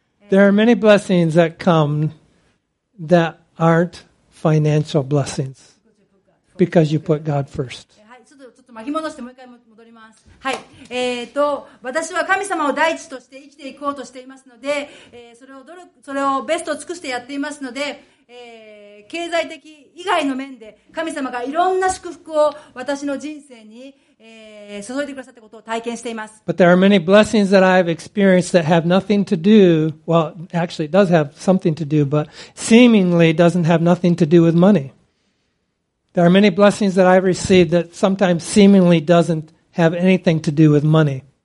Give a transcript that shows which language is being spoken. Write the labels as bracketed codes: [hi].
[en] There are many blessings that come that aren't financial blessings because you put God first. [ja] はい、ちょっと巻き戻してもう一回戻ります。はい、私は神様を第一として生きていこうとしていますので、それをベストを尽くしてやっていますので、経済的以外の面で神様がいろんな祝福を私の人生に注いでくださったことを体験しています。 [en] But there are many blessings that I've experienced that have nothing to do, well, actually it does have something to do, but seemingly doesn't have nothing to do with money. There are many blessings that I've received that sometimes seemingly doesn't have anything to do with money.